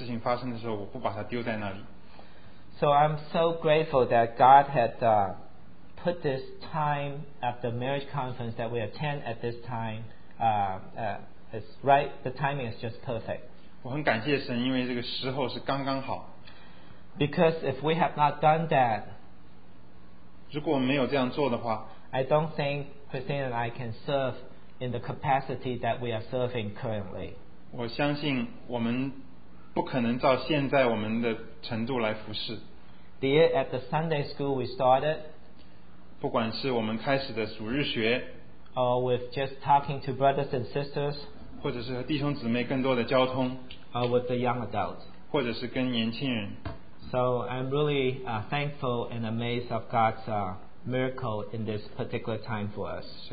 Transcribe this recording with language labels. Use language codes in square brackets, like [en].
[zh] 但是我愿意委身说,如果有这样事情发生的时候,我不把她丢在那里。 [en] So I'm so grateful that God had put this time at the marriage conference that we attend at this time. It's right, the timing is just perfect. [zh] 我很感谢神,因为这个时候是刚刚好。 [en] Because if we have not done that, [zh] 如果我们没有这样做的话, [en] I don't think Christine and I can serve in the capacity that we are serving currently. [zh] 我相信我们不可能照现在我们的程度来服侍。 [en] Be it at the Sunday school we started, [zh] 不管是我们开始的主日学, [en] or with just talking to brothers and sisters, [zh] 或者是和弟兄姊妹更多的交通, [en] or with the young adults, [zh] 或者是跟年轻人。 [en] So I'm really thankful and amazed of God's miracle in this particular time for us.